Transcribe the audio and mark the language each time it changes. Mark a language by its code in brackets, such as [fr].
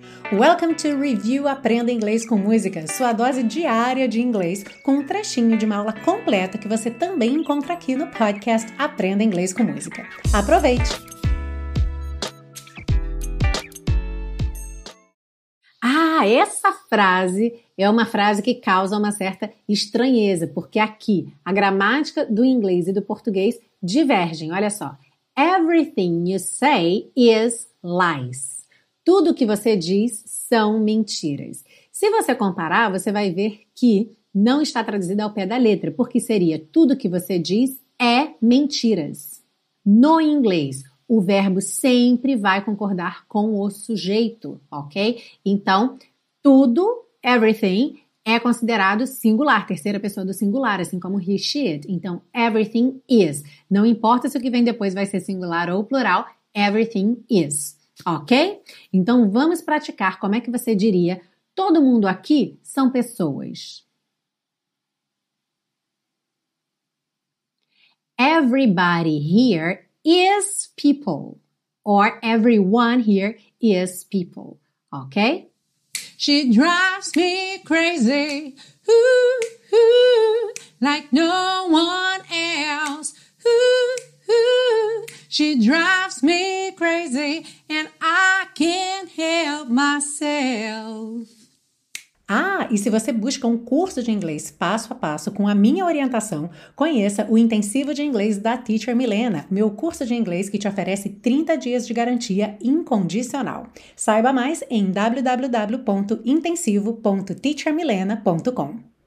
[en] Welcome to Review [pt] Aprenda Inglês com Música, sua dose diária de inglês, com um trechinho de uma aula completa que você também encontra aqui no podcast Aprenda Inglês com Música. Aproveite! Ah, essa frase é uma frase que causa uma certa estranheza, porque aqui a gramática do inglês e do português divergem. Olha só. [en] Everything you say is lies. [pt] Tudo que você diz são mentiras. Se você comparar, você vai ver que não está traduzido ao pé da letra, porque seria tudo que você diz é mentiras. No inglês, o verbo sempre vai concordar com o sujeito, ok? Então, tudo, everything, é considerado singular, terceira pessoa do singular, assim como he, she, it. Então, everything is. Não importa se o que vem depois vai ser singular ou plural, everything is. Ok? Então, vamos praticar como é que você diria todo mundo aqui são pessoas. [en] Everybody here is people. Or everyone here is people. [pt] Ok? [en] She drives me crazy. Ooh, ooh, like no one else. Ooh, ooh. She drives me crazy and I can't help myself. [pt] Ah, e se você busca um curso de inglês passo a passo com a minha orientação, conheça o Intensivo de Inglês da Teacher Milena, meu curso de inglês que te oferece 30 dias de garantia incondicional. Saiba mais em www.intensivo.teachermilena.com.